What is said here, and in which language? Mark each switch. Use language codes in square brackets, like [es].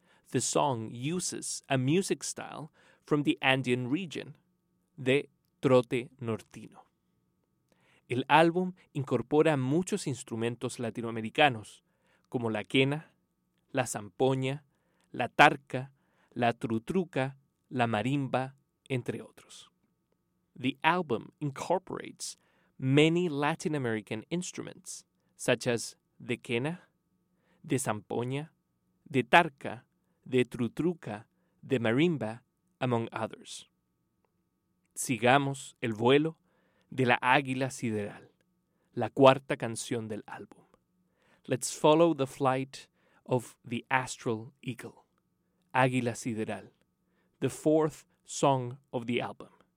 [en] The song uses a music style from the Andean region, de trote nortino. [es] El álbum incorpora muchos instrumentos latinoamericanos, como la quena, la zampoña, la tarca, la trutruca, la marimba, entre otros. [en] The album incorporates many Latin American instruments, such as the quena, the zampoña, the tarca, the trutruca, the marimba, among others. [es] Sigamos el vuelo de la águila sideral, la cuarta canción del álbum. [en] Let's follow the flight of the astral eagle. Águila Sideral, the fourth song of the album.